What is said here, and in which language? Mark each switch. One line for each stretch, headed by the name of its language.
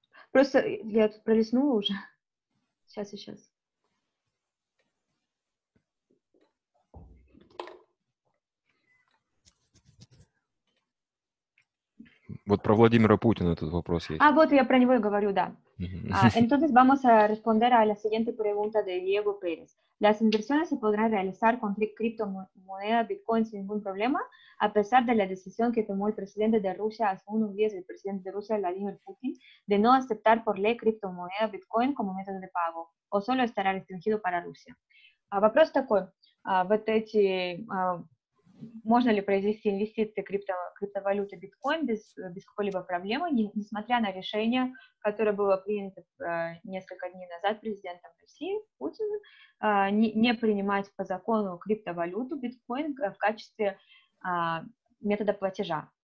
Russian: Просто я тут пролистнула уже. Сейчас. Вот про Владимира Путина этот вопрос есть. А вот я про него и говорю, да.
Spanish: Entonces vamos a responder a la siguiente pregunta de Diego Pérez. ¿Las inversiones se podrán realizar con criptomoneda Bitcoin sin ningún problema, a pesar de la decisión que tomó el presidente de Rusia hace unos días, el presidente de Rusia, Vladimir Putin, de no aceptar por ley criptomoneda Bitcoin como método de pago, o solo estará restringido para Rusia?
Russian: Вопрос такой. Вот эти... Можно ли произвести инвестиции криптовалюты биткоин без какой-либо проблемы, несмотря на решение, которое было принято несколько дней назад президентом России Путиным, не принимать по закону криптовалюту биткоин в качестве метода платежа?